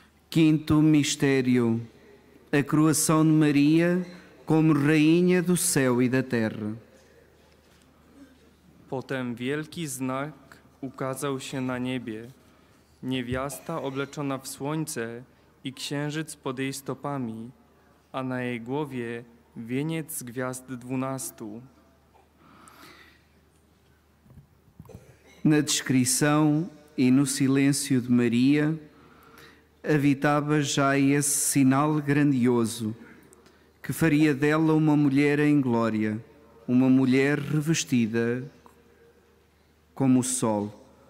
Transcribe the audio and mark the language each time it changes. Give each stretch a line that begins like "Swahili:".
Portuguese: Quinto mistério, a coroação de Maria como rainha do céu e da terra.
Polish: Potem wielki znak ukazał się na niebie. Niewiasta obleczona w słońce i księżyc pod jej stopami, a na jej głowie wieniec gwiazd dwunastu.
Portuguese: Na descrição e no silêncio de Maria habitava já esse sinal grandioso que faria dela uma mulher em glória, uma mulher revestida como o sol.